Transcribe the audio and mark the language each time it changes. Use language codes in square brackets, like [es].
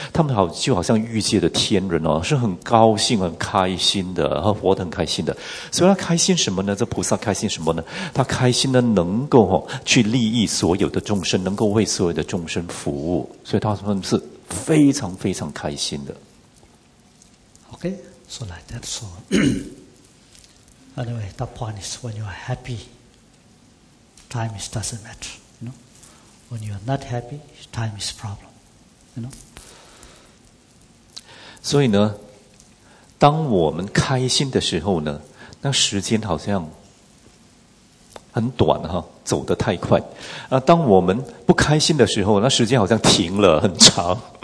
[zh] 他们就好像欲界的天人哦，是很高兴、很开心的，活得很开心的。所以他开心什么呢？这菩萨开心什么呢？他开心的能够哦去利益所有的众生，能够为所有的众生服务，所以他们是非常非常开心的。 [en] OK。 So like that, so anyway, the point is when you are happy, time is doesn't matter, you know. When you are not happy, time is problem, you know. [zh] 所以呢，当我们开心的时候呢，那时间好像很短哈，走得太快。啊，当我们不开心的时候，那时间好像停了很长。